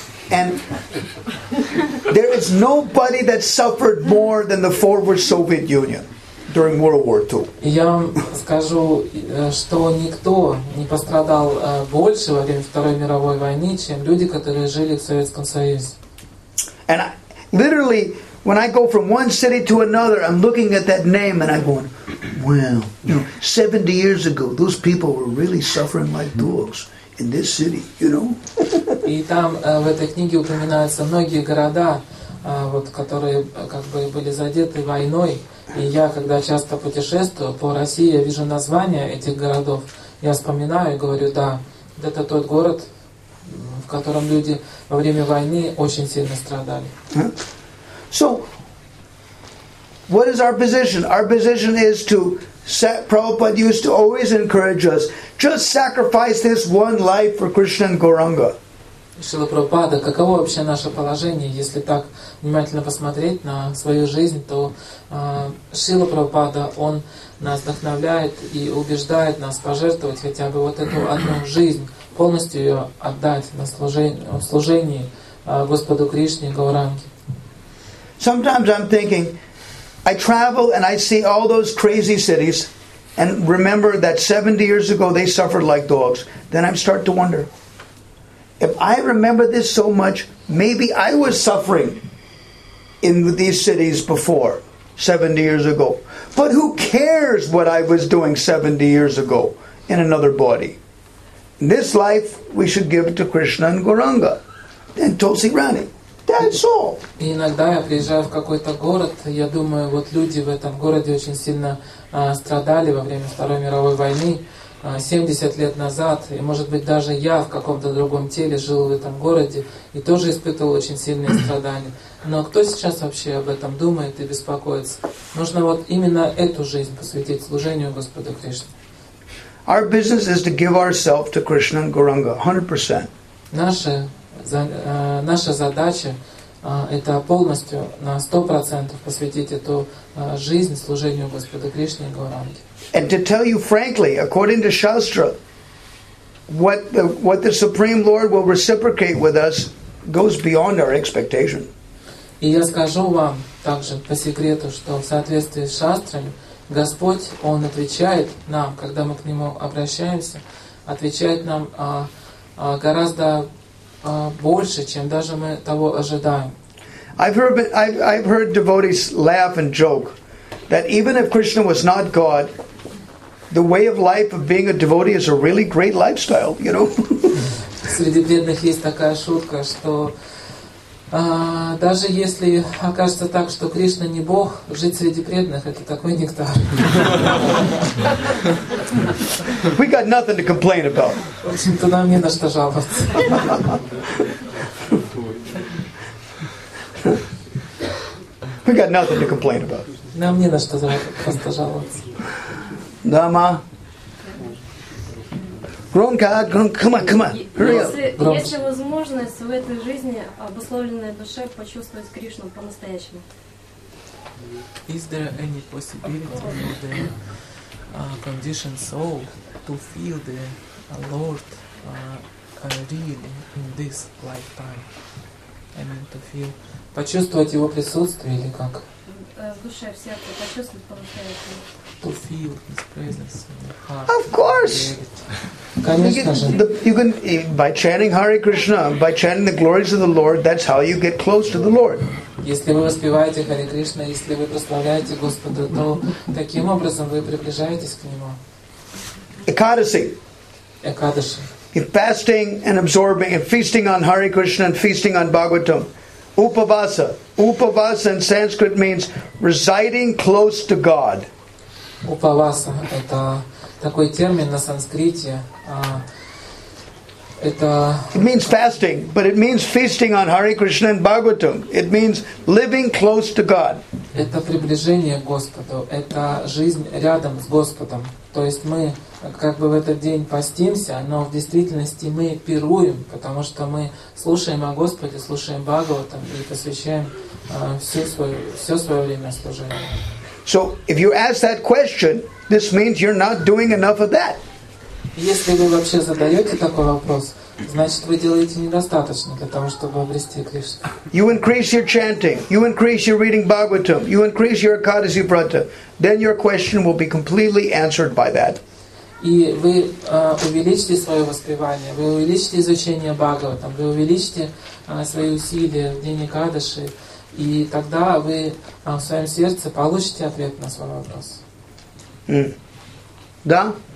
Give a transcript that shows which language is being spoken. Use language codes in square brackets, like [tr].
[en] And there is nobody that suffered more than the former Soviet Union during World War II. [ru] Я вам скажу, что никто не пострадал больше во время Второй мировой войны, чем люди, которые жили в Советском Союзе. [en] And I, literally, when I go from one city to another, I'm looking at that name and I'm going, well, you know, 70 years ago, those people were really suffering like dogs. In this city, you know. [ru] И там в этой книге упоминаются многие города, вот которые как бы были задеты войной. И я, когда часто путешествую по России, я вижу названия этих городов. Я вспоминаю и говорю, да, это тот город, в котором люди во время войны очень сильно страдали. [en] So, what is our position? Our position is to Prabhupada used to always encourage us, just sacrifice this one life for Krishna and Gauranga. [ru] Шрила Прабхупада, каково вообще наше положение, если так внимательно посмотреть на свою жизнь, то Шрила Прабхупада, он нас вдохновляет и убеждает нас пожертвовать хотя бы вот эту одну жизнь, полностью ее отдать на служение Господу Кришне и Гауранге. [en] Sometimes I'm thinking, I travel and I see all those crazy cities and remember that 70 years ago they suffered like dogs. Then I start to wonder, if I remember this so much, maybe I was suffering in these cities before, 70 years ago. But who cares what I was doing 70 years ago in another body? In this life, we should give it to Krishna and Gauranga and Tulsi Rani. [ru] И иногда я приезжаю в какой-то город, я думаю, вот люди в этом городе очень сильно страдали во время Второй мировой войны 70 лет назад, и может быть даже я в каком-то другом теле жил в этом городе и тоже испытывал очень сильные страдания. Но кто сейчас вообще об этом думает и беспокоится? Нужно вот именно эту жизнь посвятить служению Господу Кришне. [en] Our business is to give ourselves to Krishna and Gauranga 100%. [ru] Наша задача это полностью на 100% посвятить эту жизнь служению Господу Кришне и Гауранге. [en] And to tell you frankly, according to Shastra, what the Supreme Lord will reciprocate with us goes beyond our expectation. [ru] И я скажу вам также по секрету, что в соответствии с Шастрами, Господь, Он отвечает нам, когда мы к Нему обращаемся, отвечает нам гораздо больше, чем даже мы того ожидаем. [en] I've heard devotees laugh and joke that even if Krishna was not God, the way of life of being a devotee is a really great lifestyle, you know. [ru] Среди бедных есть такая шутка, что даже если окажется так, что Кришна не Бог, жить среди преданных это такой нектар. [en] We got nothing to complain about. [ru] В общем-то, нам не на что жаловаться. [en] We got nothing to complain about. [ru] Нам не на что просто жаловаться. Да, ма. Громко, [en] come on, hurry up. [ru] Если возможность в этой жизни обусловленной душой почувствовать Кришну по-настоящему. [en] Is there any possibility for the conditioned soul to feel the Lord really in this lifetime? I mean, to feel... [ru] Почувствовать Его присутствие или как? В душе, в сердце, почувствовать по-настоящему. [en] To feel His presence in the heart. Of course! You can by chanting Hare Krishna, by chanting the glories of the Lord, that's how you get close to the Lord. [ru] Если вы воспеваете Харе Кришна, если вы прославляете Господа, то таким образом вы приближаетесь к Нему. Экадаси. Экадаши. [en] if fasting and absorbing and feasting on Hare Krishna and feasting on Bhagavatam, upavasa. Upavasa in Sanskrit means residing close to God. [ru] Upavasa это такой термин на санскрите. [en] It means fasting, but it means feasting on Hare Krishna and Bhagavatam. It means living close to God. [ru] Это приближение к Господу. Это жизнь рядом с Господом. То есть мы как бы в этот день постимся, но в действительности мы пируем, потому что мы слушаем о Господе, слушаем Бхагаватам и посвящаем все свое время служению. [en] So if you ask that question, this means you're not doing enough of that. [ru] Если вы вообще задаете такой вопрос, значит вы делаете недостаточно для того, чтобы обрести Кришну. [en] You increase your chanting, you increase your reading Bhagavatam, you increase your Ekadasi Vrata, then your question will be completely answered by that. [ru] И вы увеличите свое воспевание, вы увеличите изучение Бхагаватам, вы увеличите свои усилия в день Экадаши, и тогда вы в своем сердце получите ответ на свой вопрос. Да?